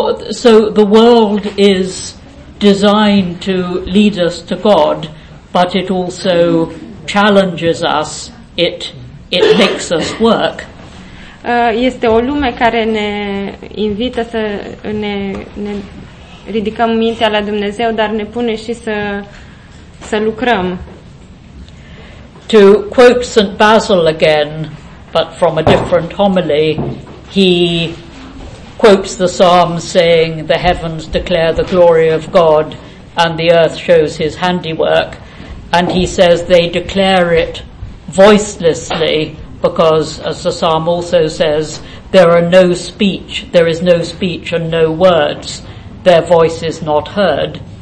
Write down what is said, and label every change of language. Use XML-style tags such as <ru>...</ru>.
<en>So the world is designed to lead us to God, but it also challenges us, it makes us work.</en> <ro>Este o lume care ne invită să ne ridicăm mintea la Dumnezeu, dar ne pune și să lucrăm.</ro> <en>To quote St. Basil again, but from a different homily, he quotes the psalm saying, "The heavens declare the glory of God, and the earth shows his handiwork." And he says, "They declare it voicelessly, because, as the psalm also says, there is no speech and no words, their voice is not heard."</en>